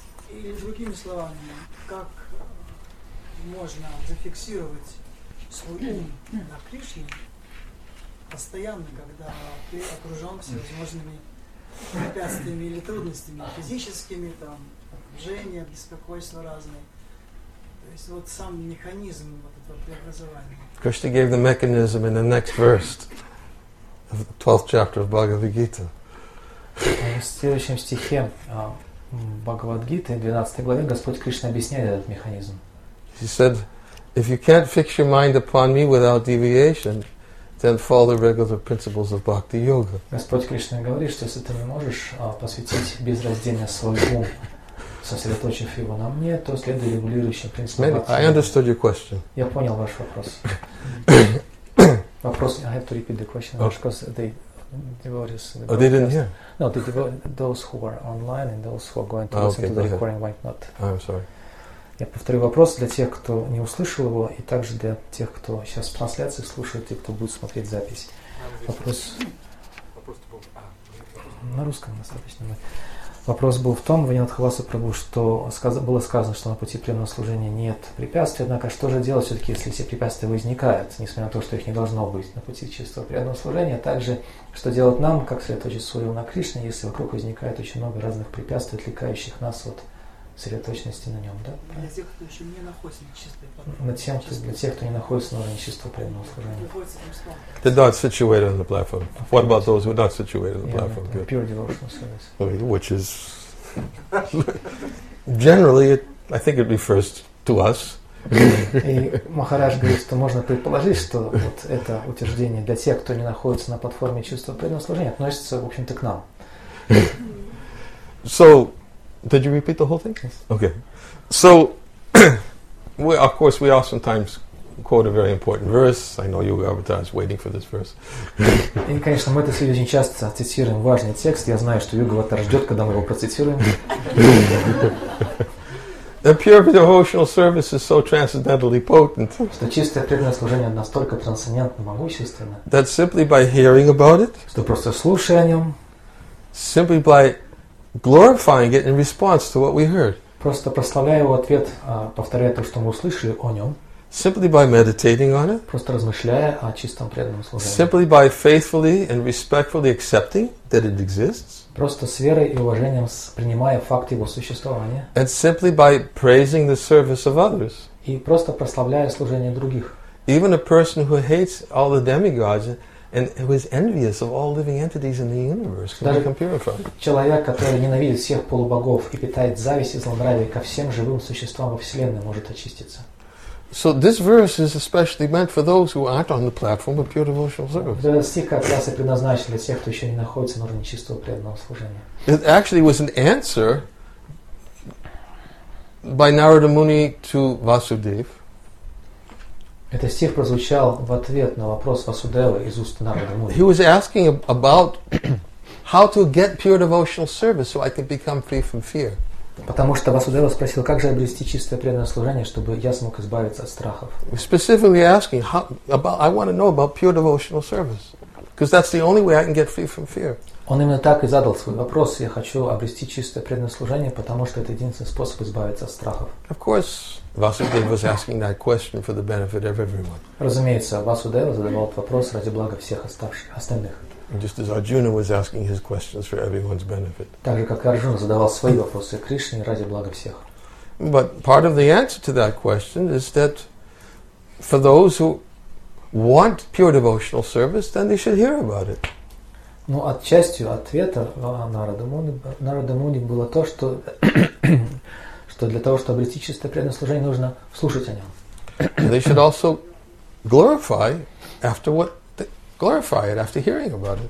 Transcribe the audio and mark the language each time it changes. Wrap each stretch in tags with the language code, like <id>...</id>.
<ru>И другими словами, как можно зафиксировать свой ум на Кришне постоянно, когда ты окружен всевозможными препятствиями или трудностями, физическими, там, жжение, беспокойство разное. То есть вот сам механизм вот этого преобразования.</ru> <en>Krishna gave the mechanism in the next verse of the 12th chapter of Bhagavad Gita.</en> <ru>В следующем стихе Бхагавад-гиты, 12 главе, Господь Кришна объясняет этот механизм.</ru> <en>He said, if you can't fix your mind upon me without deviation, then follow the regular principles of bhakti yoga.</en> <ru>Господь Кришна говорит, что если ты не можешь посвятить безраздельно свой ум, сосредоточив его на мне, то следуй регулирующим принципам бхакти.</ru> <en>I understood your question.</en> <ru>Я понял ваш вопрос. Вопрос,</ru> <en>I have to repeat the question, because they devotees. Oh, they didn't hear? No, the those who are online and those who are going to listen to the recording might not. I'm sorry.</en> <ru>Я повторю вопрос для тех, кто не услышал его, и также для тех, кто сейчас в трансляции слушает и кто будет смотреть запись. Вопрос... На русском достаточно. Вопрос был в том, Ванинатхаваса Прабу, что было сказано, что на пути преданного служения нет препятствий, однако что же делать все-таки, если все препятствия возникают, несмотря на то, что их не должно быть на пути чистого преданного служения, также что делать нам, как сосредоточить свой ум на Кришне, если вокруг возникает очень много разных препятствий, отвлекающих нас от сосредоточенности на нем, да? Для тех, кто еще не находится на чистой платформе. Для тех, кто не находится на уровне чистого преданного служения.</ru> <en>They're not situated on the platform. What about those who are not situated on the platform? Yeah, pure devotional service. Which is... Generally, I think it refers to us.</en> <ru>И Махарадж говорит, что можно предположить, что вот это утверждение для тех, кто не находится на платформе чистого преданного служения, относится, в общем-то, к нам.</ru> <en>So... Did you repeat the whole thing? Yes. Okay. So, we, of course, we oftentimes quote a very important verse. I know Yuga Avatar is waiting for this verse.</en> <ru>И, конечно, мы это все очень часто цитируем важный текст. Я знаю, что Юга Аватар ждет, когда мы его процитируем.</ru> <en>The pure devotional service is so transcendentally potent.</en> <ru>Что чистое преданное служение настолько трансцендентно могущественно.</ru> <en>That simply by hearing about it.</en> <ru>Что просто слушая о нем.</ru> <en>Simply by glorifying it in response to what we heard.</en> <ru>Просто прославляя его ответ, повторяя то, что мы услышали о нем.</ru> <en>Simply by meditating on it.</en> <ru>Просто размышляя о чистом преданном служении.</ru> <en>Simply by faithfully and respectfully accepting that it exists.</en> <ru>Просто с верой и уважением принимая факт его существования.</ru> <en>And simply by praising the service of others.</en> <ru>И просто прославляя служение других.</ru> <en>Even a person who hates all the demigods and who is envious of all living entities in the universe can become purified.</en> <ru>Человек, который ненавидит всех полубогов и питает зависть и злонравие ко всем живым существам во Вселенной, может очиститься.</ru> <en>So this verse is especially meant for those who aren't on the platform of pure devotional service.</en> <ru>Этот стих как раз и предназначен для тех, кто еще не находится на уровне чистого преданного служения.</ru> <en>It actually was an answer by Narada Muni to Vasudev.</en> <ru>Этот стих прозвучал в ответ на вопрос Васудевы из уст Нарада Муни.</ru> <en>He was asking about how to get pure devotional service so I can become free from fear.</en> <ru>Потому что Васудева спросил, как же обрести чистое преданное служение, чтобы я смог избавиться от страхов.</ru> <en>Specifically asking, I want to know about pure devotional service, because that's the only way I can get free from fear.</en> <ru>Он именно так и задал свой вопрос: я хочу обрести чистое преданное служение, потому что это единственный способ избавиться от страхов.</ru> <en>Of course, Vasudeva was asking that question for the benefit of everyone.</en> <ru>Разумеется, Васудева задавал этот вопрос ради блага всех остальных.</ru> <en>Just as Arjuna was asking his questions for everyone's benefit.</en> <ru>Так же, как и Арджуна задавал свои вопросы Кришне ради блага всех.</ru> <en>But part of the answer to that question is that for those who want pure devotional service, then they should hear about it.</en> <ru>Но отчасти ответа Нарада Муни было то, что что для того, чтобы обрести чистое преданное служение, нужно слушать о нем.</ru> <en>They should also glorify after what. Glorify it after hearing about it.</en>